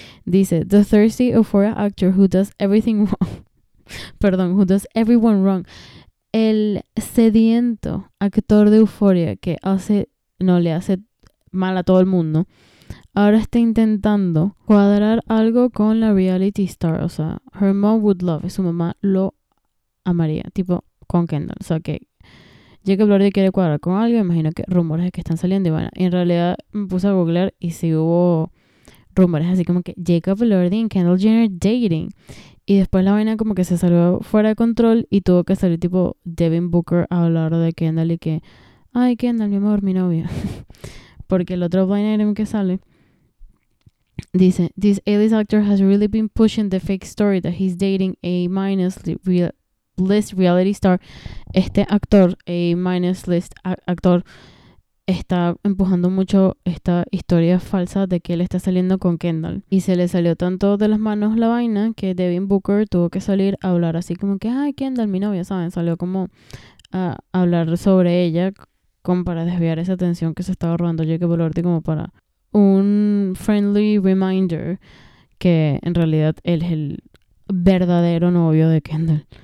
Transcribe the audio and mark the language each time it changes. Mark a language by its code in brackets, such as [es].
[en] Dice, the thirsty euphoria actor who does everything wrong. [es] Perdón, [en] who does everyone wrong. [es] El sediento actor de euforia que hace, no, le hace mal a todo el mundo. Ahora está intentando cuadrar algo con la reality star. O sea, [en] her mom would love, [es] su mamá lo amaría. Tipo, con Kendall. O sea, que Jacob Lordi quiere cuadrar con alguien. Imagino que rumores de que están saliendo. Y bueno, en realidad me puse a googlear y sí hubo rumores. Así como que Jacob Lordi y Kendall Jenner dating. Y después la vaina como que se salió fuera de control. Y tuvo que salir tipo Devin Booker a hablar de Kendall. Y que, ay, Kendall, mi amor, mi novia. Porque el otro vaina que sale dice, [en] this A-list actor has really been pushing the fake story that he's dating A-minus list reality star. [es] Este actor, A-minus list actor, está empujando mucho esta historia falsa de que él está saliendo con Kendall. Y se le salió tanto de las manos la vaina que Devin Booker tuvo que salir a hablar así como que, ay, Kendall, mi novia, ¿saben? Salió como a hablar sobre ella como para desviar esa atención que se estaba robando Jacob Elordi, como para un [en] friendly reminder [es] que en realidad él es el verdadero novio de Kendall.